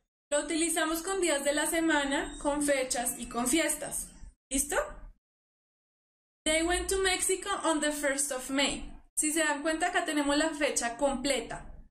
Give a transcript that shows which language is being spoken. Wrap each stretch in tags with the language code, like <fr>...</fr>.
<es>Lo utilizamos con días de la semana, con fechas y con fiestas. ¿Listo?</es> <en>They went to Mexico on the 1st of May.</en> <es>Si se dan cuenta, acá tenemos la fecha completa.</es>